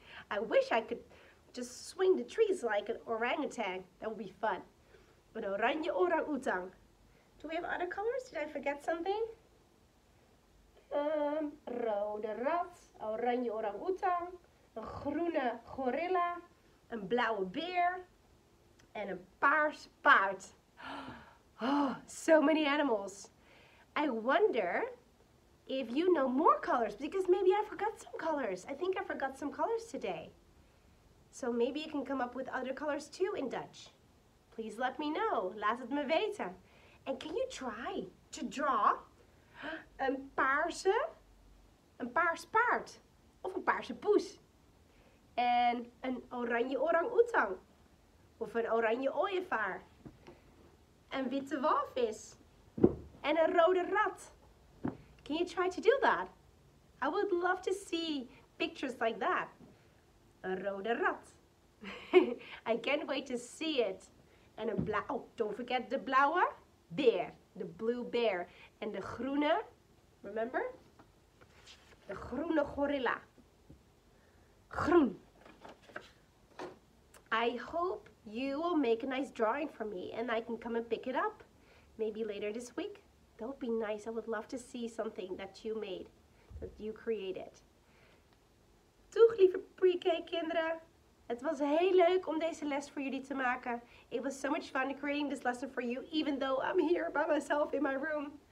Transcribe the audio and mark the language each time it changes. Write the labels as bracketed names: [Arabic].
[English] I wish I could just swing the trees like an orangutan. That would be fun. [Dutch] Een oranje orang-oetang. [English] Do we have other colors? Did I forget something? [Dutch] Rode rat, oranje orang-oetang, een groene gorilla, een blauwe beer en een paars paard. [English] Oh, so many animals. I wonder if you know more colors, because maybe I forgot some colors. I think I forgot some colors today. So maybe you can come up with other colors too in Dutch. Please let me know. [Dutch] Laat het me weten. [English] And can you try to draw [Dutch] een paarse paard of een paarse poes? En een oranje orang-oetang of een oranje ooievaar? Een witte walvis. En een rode rat. [English] Can you try to do that? I would love to see pictures like that. [Dutch] Een rode rat. [English] I can't wait to see it. [Dutch] En een blauwe. [English] Oh, don't forget the blauwe bear. The blue bear. [Dutch] En de groene. [English] Remember? [Dutch] De groene gorilla. Groen. [English] I hope you will make a nice drawing for me and I can come and pick it up maybe later this week. That would be nice. I would love to see something that you made, that you created. [Dutch] Doeg, lieve pre-K-kinderen. Het was heel leuk om deze les voor jullie te maken. [English] It was so much fun creating this lesson for you, even though I'm here by myself in my room.